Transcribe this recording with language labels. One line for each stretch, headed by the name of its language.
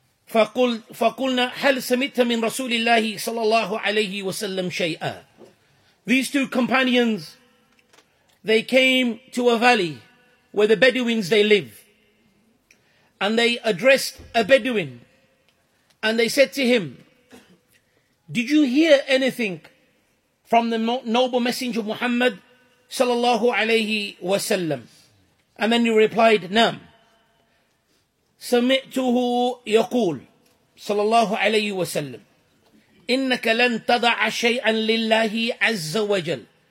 Arabic: فقلنا هل سمعت من رسول الله صلى الله عليه وسلم شيئا.
English: These two companions, they came to a valley where the Bedouins they live, and they addressed a Bedouin and they said to him, did you hear anything from the noble messenger Muhammad صلى الله عليه وسلم? And then he replied,
Arabic: نعم سمعته يقول صلى الله عليه وسلم إنك لن تضع شيئا لله عز وجل.